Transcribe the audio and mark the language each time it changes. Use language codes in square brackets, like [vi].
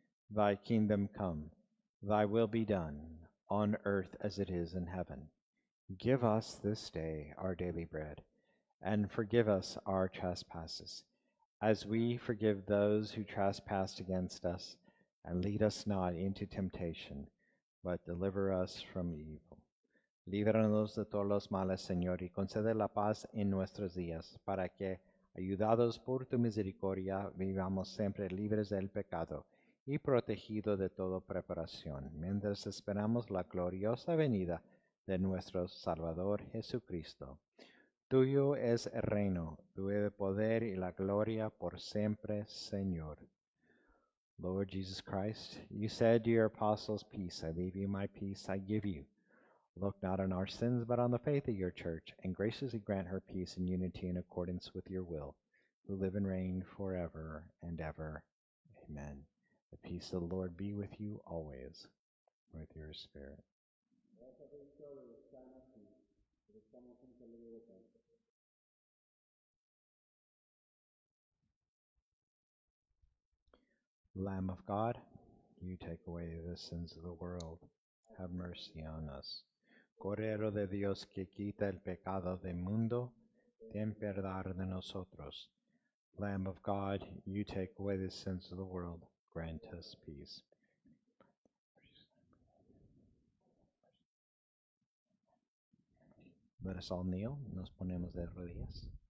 [en] Thy kingdom come, thy will be done, on earth as it is in heaven. Give us this day our daily bread, and forgive us our trespasses, as we forgive those who trespass against us. And lead us not into temptation, but deliver us from evil. [es] Líbranos de todos los males, Señor, y concede la paz en nuestros días, para que, ayudados por tu misericordia, vivamos siempre libres del pecado y protegidos de toda preparación, mientras esperamos la gloriosa venida de nuestro Salvador Jesucristo. Tuyo es el reino, tuyo el poder y la gloria por siempre, Señor. [en] Lord Jesus Christ, you said to your apostles, Peace I leave you, my peace I give you. Look not on our sins, but on the faith of your church, and graciously grant her peace and unity in accordance with your will, who live and reign forever and ever. Amen. The peace of the Lord be with you always, with your spirit. Lamb of God, you take away the sins of the world. Have mercy on us. [es] Cordero de Dios que quita el pecado del mundo, ten piedad de nosotros. [en] Lamb of God, you take away the sins of the world. Grant us peace. Let us all kneel. [es] Nos ponemos de rodillas.